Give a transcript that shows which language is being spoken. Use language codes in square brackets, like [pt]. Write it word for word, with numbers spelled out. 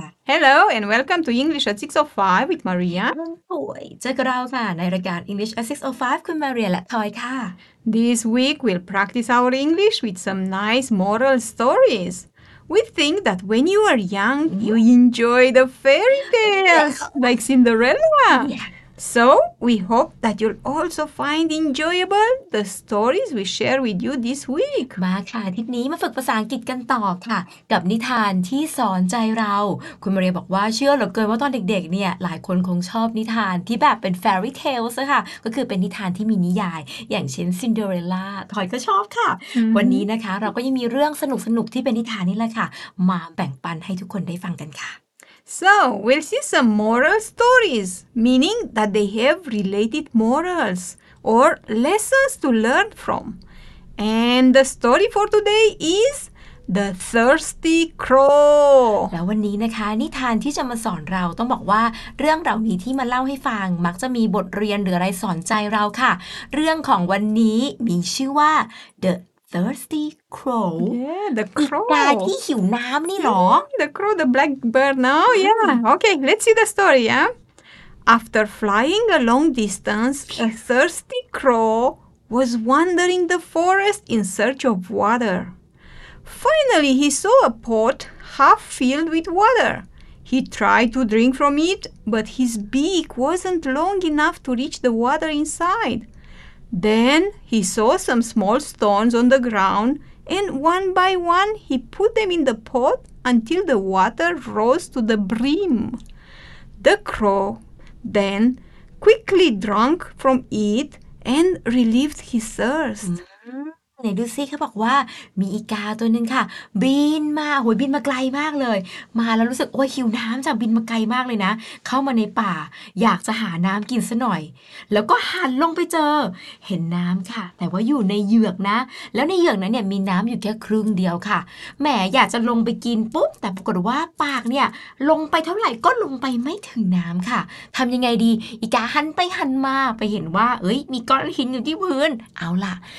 [en] Hello and welcome to English at หกร้อยห้า with Maria. [th] โอ้ยเจอกับเราค่ะ ในรายการ English at หกร้อยห้า คุณมาเรียและทอยค่ะ [en] This week we'll practice our English with some nice moral stories. We think that when you are young, you enjoy the fairy tales like Cinderella. Yeah. So we hope that you'll also find enjoyable the stories we share with you this week. [th] มาค่ะทริปนี้มาฝึกภาษาอังกฤษกันต่อค่ะ กับนิทานที่สอนใจเรา คุณมาเรียบอกว่าเชื่อเหลือเกินว่าตอนเด็กๆเนี่ยหลายคนคงชอบนิทานที่แบบเป็น fairy tales อะค่ะ ก็คือเป็นนิทานที่มีนิยาย อย่างเช่น Cinderella ทอยก็ชอบค่ะ อืม วันนี้นะคะเราก็ยังมีเรื่องสนุกๆที่เป็นนิทานนี่แหละค่ะ มาแบ่งปันให้ทุกคนได้ฟังกันค่ะ [en] So we'll see some moral stories, meaning that they have related morals or lessons to learn from. And the story for today is The Thirsty Crow. [th] แล้ววันนี้นะคะนิทานที่จะมาสอนเราต้องบอกว่าเรื่องเหล่านี้ที่มาเล่าให้ฟังมักจะมีบทเรียนหรืออะไรสอนใจเราค่ะ เรื่องของวันนี้มีชื่อว่า The Thirsty Crow [en] Yeah, the [th] อีกา [en] crow. [th] ที่หิวน้ำนี่หรอ [en] The crow, the blackbird. No, yeah. Okay, let's see the story, yeah? After flying a long distance, a thirsty crow was wandering the forest in search of water. Finally, he saw a pot half filled with water. He tried to drink from it, but his beak wasn't long enough to reach the water inside. Then he saw some small stones on the ground, and one by one he put them in the pot until the water rose to the brim. The crow then quickly drank from it and relieved his thirst. [th] ไหนดูซิเขาบอกว่ามีอีกาตัวหนึ่งค่ะ บินมาโหยบินมาไกลมากเลย มาแล้วรู้สึกโอ้ยหิวน้ำจากบินมาไกลมากเลยนะ เข้ามาในป่า อยากจะหาน้ำกินซะหน่อย แล้วก็หันลงไปเจอ เห็นน้ำค่ะ แต่ว่าอยู่ในเหยือกนะ แล้วในเหยือกนั้นเนี่ยมีน้ำอยู่แค่ครึ่งเดียวค่ะแหมอยากจะลงไปกินปุ๊บแต่ปรากฏว่าปากเนี่ยลงไปเท่าไหร่ก็ลงไปไม่ถึงน้ำค่ะทำยังไงดีอีกาหันไปหันมาไปเห็นว่า เอ้ย มีก้อนหินอยู่ที่พื้นเอาล่ะ